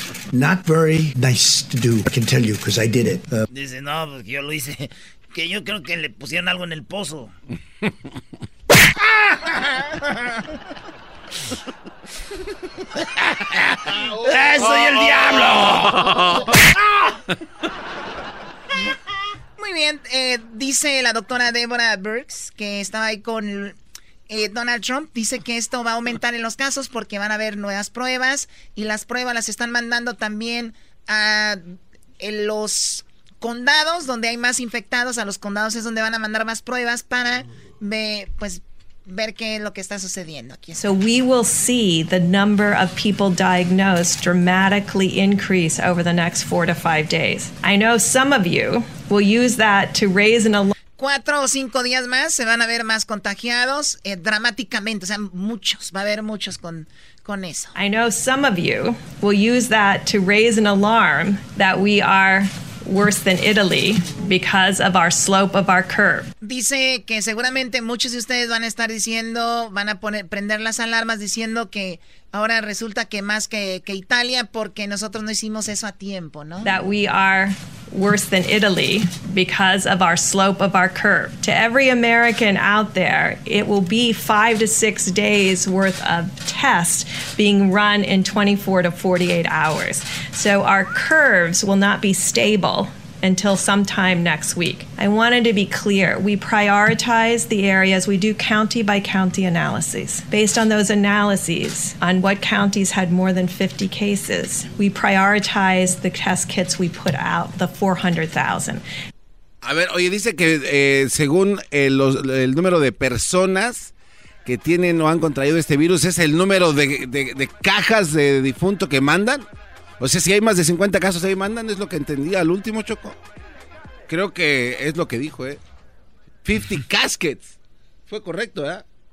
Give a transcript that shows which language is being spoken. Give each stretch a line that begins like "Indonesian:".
English: Not very nice to do, I can tell you, because I did it.
Spanish: Dice, no, porque yo lo hice. Que yo creo que le pusieron algo en el pozo. ¡Soy el diablo! Muy bien, dice la doctora Deborah Birks, que estaba ahí con Donald Trump, dice que esto va a aumentar en los casos porque van a haber nuevas pruebas y las pruebas las están mandando también a los condados donde hay más infectados, a los condados es donde van a mandar más pruebas para ver qué es lo que está sucediendo aquí.
English: So we will see the number of people diagnosed dramatically increase over the next 4 to 5 days. I know some of you will use that to raise an alarm.
Spanish: 4 o 5 días más se van a ver más contagiados dramáticamente, o sea, muchos, va a haber muchos con eso.
English: I know some of you will use that to raise an alarm that we are worse than Italy because of our slope of our curve. D-
Spanish: dice que seguramente muchos de ustedes van a estar diciendo, van a poner, prender las alarmas diciendo que ahora resulta que más que Italia, porque nosotros no hicimos eso a tiempo, ¿no?
English: That we are worse than Italy because of our slope of our curve. To every American out there, it will be 5 to 6 days worth of tests being run in 24 to 48 hours. So our curves will not be stable until sometime next week. I wanted to be clear. We prioritize the areas. We do county by county analyses. Based on those analyses on what counties had more than 50 cases, we prioritize the test kits we put out, the 400,000.
Spanish: A ver, oye, dice que según el número de personas que tienen o han contraído este virus, es el número de cajas de difunto que mandan. O sea, si hay más de 50 casos ahí mandan, es lo que entendí al último, Choco. Creo que es lo que dijo, ¿eh? 50 caskets. Fue correcto, ¿verdad?